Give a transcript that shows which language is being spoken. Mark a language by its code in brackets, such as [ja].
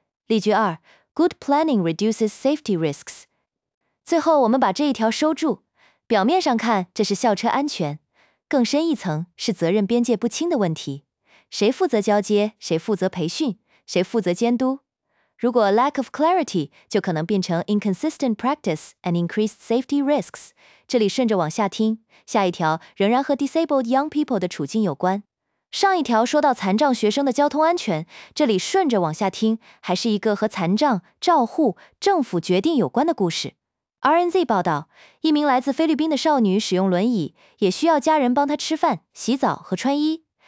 [zh] 例句二： [en] Good planning reduces safety risks。 [zh] 最后我们把这一条收住，表面上看这是校车安全，更深一层是责任边界不清的问题，谁负责交接，谁负责培训，谁负责监督？如果 [en] lack of clarity， [zh] 就可能变成 [en] inconsistent practice and increased safety risks。 [zh] 这里顺着往下听，下一条仍然和 disabled young people 的处境有关。上一条说到残障学生的交通安全，这里顺着往下听，还是一个和残障、照护、政府决定有关的故事。 RNZ 报道，一名来自菲律宾的少女使用轮椅，也需要家人帮她吃饭、洗澡和穿衣。